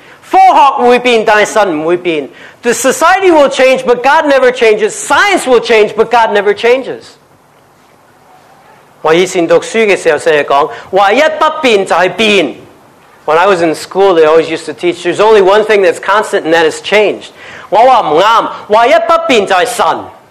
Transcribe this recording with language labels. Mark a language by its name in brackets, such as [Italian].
[Chinese] 社会会变，但神不会变。科学会变，但神不会变。 [English] The society will change, but God never changes. Science will change, but God never changes. [Chinese] 我以前读书的时候，成日讲，唯一不变就是变。 [English] When I was in school, they always used to teach, there's only one thing that's constant, and that is change. [Chinese] 我说不对，唯一不变就是神。